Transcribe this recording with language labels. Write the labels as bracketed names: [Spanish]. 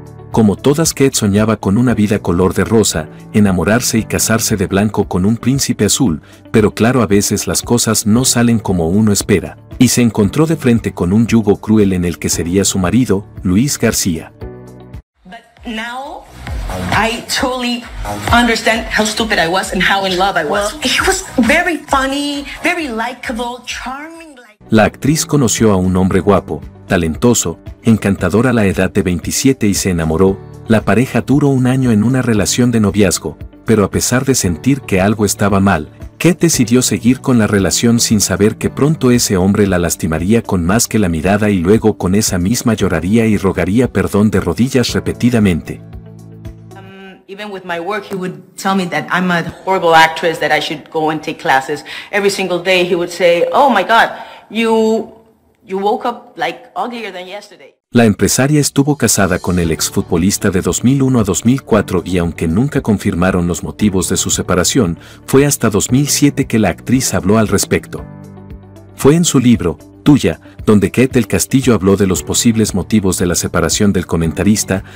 [Spanish] Como todas, Kate soñaba con una vida color de rosa, enamorarse y casarse de blanco con un príncipe azul, pero claro, a veces las cosas no salen como uno espera, y se encontró de frente con un yugo cruel en el que sería su marido, Luis García. [English] But now I totally understand how stupid I was and how in love I was. He was very funny, very likable, charming. [Spanish] La actriz conoció a un hombre guapo, talentoso, encantador a la edad de 27 y se enamoró. La pareja duró 1 año en una relación de noviazgo, pero a pesar de sentir que algo estaba mal, Kate decidió seguir con la relación sin saber que pronto ese hombre la lastimaría con más que la mirada y luego con esa misma lloraría y rogaría perdón de rodillas repetidamente. [English] Even with my work, he would tell me that I'm a horrible actress, that I should go and take classes. Every single day he would say, oh my God, you woke up like uglier than yesterday. [Spanish] La empresaria estuvo casada con el exfutbolista de 2001 a 2004 y aunque nunca confirmaron los motivos de su separación, fue hasta 2007 que la actriz habló al respecto. Fue en su libro, Tuya, donde Kate del Castillo habló de los posibles motivos de la separación del comentarista.